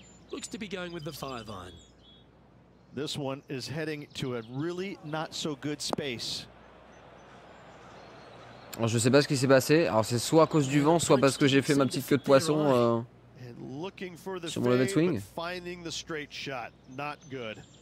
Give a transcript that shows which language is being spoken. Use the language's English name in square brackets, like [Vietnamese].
[English] Looks to be going with the five iron. This one is heading to a really not so good space. [French] Alors, je sais pas ce qui s'est passé. Alors c'est soit à cause du vent, soit parce que j'ai fait ma petite queue de poisson. [English] looking for the fade, but finding the straight shot. Not good.